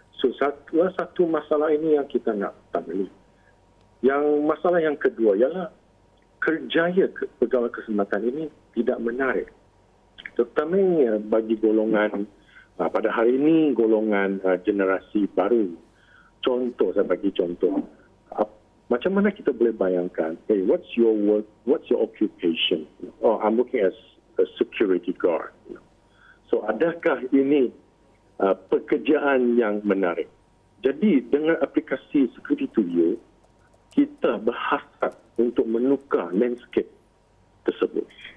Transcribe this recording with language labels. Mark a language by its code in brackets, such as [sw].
[ms] So, satu masalah ini yang kita nak tangani. Yang masalah yang kedua ialah kerjaya pegawai keselamatan ini tidak menarik. Terutamanya bagi golongan pada hari ini, golongan generasi baru. Contoh, saya bagi contoh. Macam mana kita boleh bayangkan, [en] hey, what's your work, what's your occupation? Oh, I'm working as a security guard. [ms] So, adakah ini pekerjaan yang menarik? Jadi, dengan aplikasi Security to You, kita berhasrat untuk menukar landscape tersebut.